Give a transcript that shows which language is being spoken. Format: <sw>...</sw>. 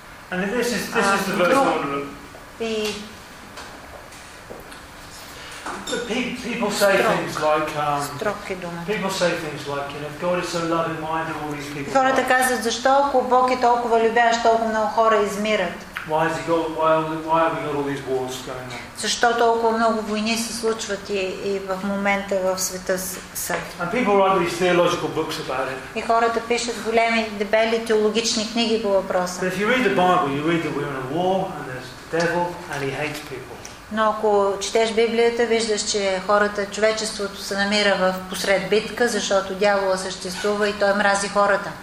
<en>And this is the verse I want to look. People say things like people say things like, you know, if God is so loving, why do all these people?</en> <bg>Хората казват, защо ако Бог е толкова любящ, толкова много хора измират?</bg> <en>Why have we got all these wars going on?</en> <bg>Защо толкова много войни се случват и в момента в света са?</bg> <en>And people write these theological books about it.</en> <bg>И хората пишат големи дебели теологични книги по въпроса.</bg> <en>But if you read the Bible, you read that we're in a war and there's the devil and he hates people.</en> <bg>Но ако четеш Библията, виждаш, че хората, човечеството се намира в посред битка, защото дявола съществува и той мрази хората.</bg>